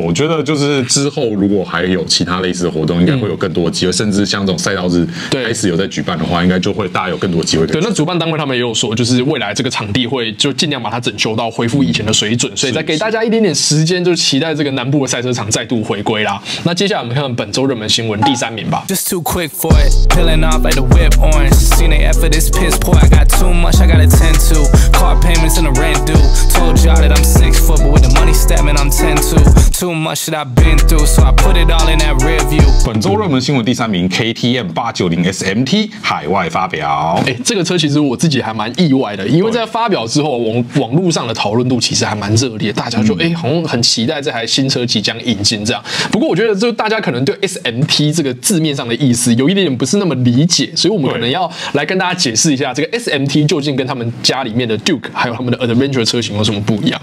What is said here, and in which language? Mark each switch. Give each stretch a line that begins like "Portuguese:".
Chinese: 我觉得就是之后如果还有其他类似的活动，应该会有更多的机会，甚至像这种赛道日开始有在举办的话，应该就会大家有更多机会。对，那主办单位他们也有说，就是未来这个场地会就尽量把它整修到恢复以前的水准，所以再给大家一点点时间，就期待这个南部的赛车场再度回归啦。那接下来我们看看本周热门新闻第三名吧。
English: Just too quick for it, peeling off like the whip orange. Seen the effort is piss poor. I got too much, I gotta tend to. Car payments and the rent due. Told y'all that I'm 6 foot, but with the money stepping, I'm 10'2. Too much that I've been through, so I put it all in that rear view.
Chinese: 本周热门新闻第三名 ，KTM 890 SMT 海外发表。这个车其实我自己还蛮意外的，因为在发表之后，网络上的讨论度其实还蛮热烈，大家就好像很期待这台新车即将引进这样。不过我觉得就大家可能对 SMT 这个字面上的意思有一点不是那么理解，所以我们可能要来跟大家解释一下，这个 SMT 究竟跟他们家里面的 Duke 还有他们的 Adventure 车型有什么不一样。